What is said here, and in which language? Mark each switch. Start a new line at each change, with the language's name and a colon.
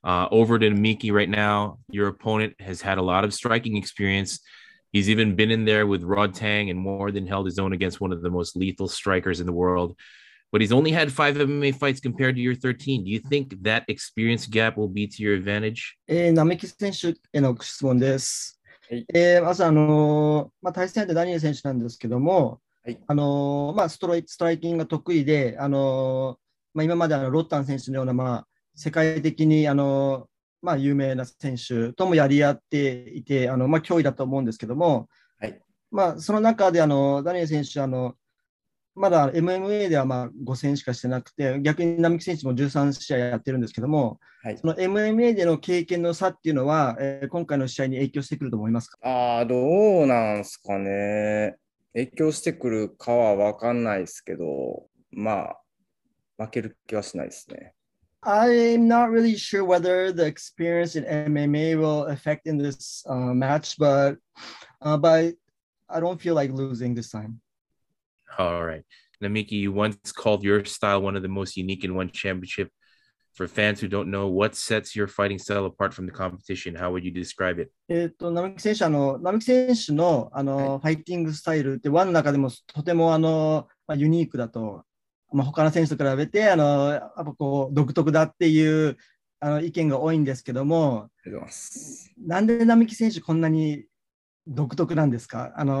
English: Over to Namiki right now. Your opponent has had a lot of striking experience. He's even been in there with Rod Tang and more than held his own against one of the most lethal strikers in the world. But he's only had 5 MMA fights compared to your 13. Do you think that experience gap will be to your advantage?
Japanese: Namiki選手 への質問です。まず対戦でダニエル選手なんですけども、ストライキングが得意で、今までロッタン選手のような世界的に有名な選手ともやり合っていて、脅威だと思うんですけども、その中でダニエル選手はまだ MMA では5戦しかしてなくて、逆に並木選手も13試合やってるんですけども、はい、その MMA での経験の差っていうのは、今回の試合に影響してくると思いますか？どうなんすかね。影響してくるかは分かんないですけど、負ける気はしないですね。
English: I'm not really sure whether the experience in MMA will affect in this match, but I don't feel like losing this time. All right. Namiki, you once called your style one of the most unique in one championship. For fans who don't know, what sets your fighting style apart from the competition? How would you describe it?
Japanese: Namiki選手の、ファイティングスタイルってワンの中でもとてもユニークだと、他の選手と比べて独特だっていう意見が多いんですけども、ありがとうございます。なんで Namiki 選手こんなに独特なんですか？